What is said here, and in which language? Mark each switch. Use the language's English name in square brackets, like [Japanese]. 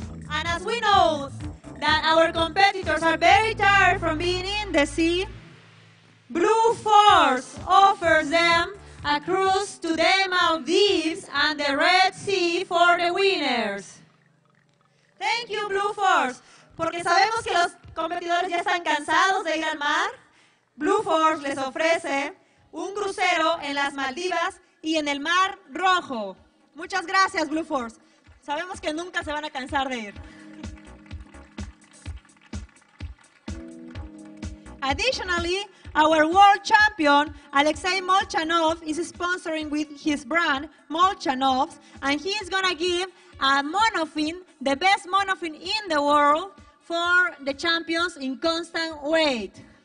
[English] And as we know that our competitors are very tired from being in the sea, Blue Force offers them a cruise to the Maldives and the Red Sea for the winners. Thank you, Blue Force. [Spanish] Porque sabemos que los competidores ya están cansados de ir al mar, Blue Force les ofrece un crucero en las Maldivas y en el Mar Rojo. Muchas gracias, Blue Force. Sabemos que nunca se van a cansar de ir. [English] Additionally, our world champion, Alexei Molchanov, is sponsoring with his brand, Molchanovs, and he is going to give a monofin, the best monofin in the world, for the champions in constant weight.